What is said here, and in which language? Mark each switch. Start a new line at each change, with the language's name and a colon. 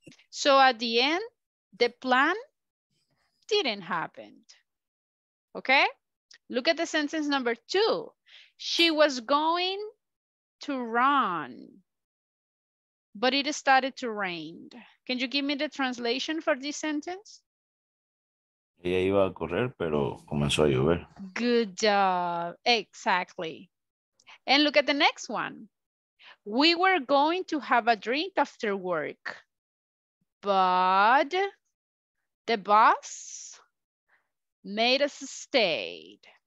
English: So at the end, the plan didn't happen. Okay? Look at the sentence number two. She was going to run, but it started to rain. Can you give me the translation for this sentence?
Spanish: Ella iba a correr, pero comenzó a llover.
English: Good job. Exactly. And look at the next one. We were going to have a drink after work, but the boss made us stay.